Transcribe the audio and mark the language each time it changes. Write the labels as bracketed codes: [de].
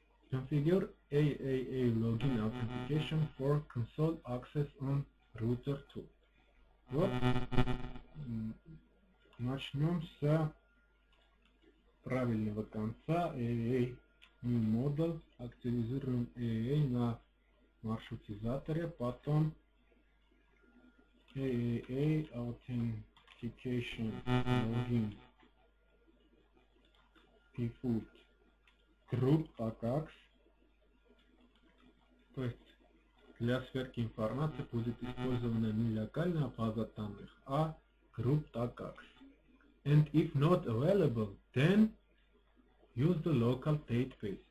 [en] Configure AAA Login Authentication for Console Access on Router 2. [ru] Вот, начнем с правильного конца. [en] AAA New Model. [ru] Активизируем AAA на маршрутизаторе. Потом [en] AAA Authentication Login input group TACACS, [ru] то есть для сверки информации будет использована не локальная база данных, а group TACACS. [en] And if not available, then use the local database.